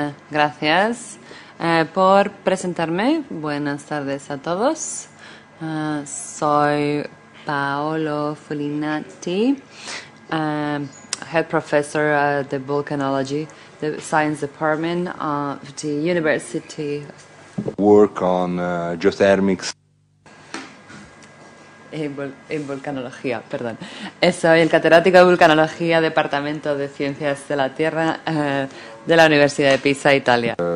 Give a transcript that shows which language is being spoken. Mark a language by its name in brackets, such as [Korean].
[Spanish] Gracias por presentarme. Buenas tardes a todos. Soy [English] Paolo Fulinati, head professor at the volcanology, the science department of the university. Work on geothermics. [Spanish] En vulcanología, perdón. Soy el catedrático de vulcanología, departamento de ciencias de la tierra de la Universidad de Pisa, Italia.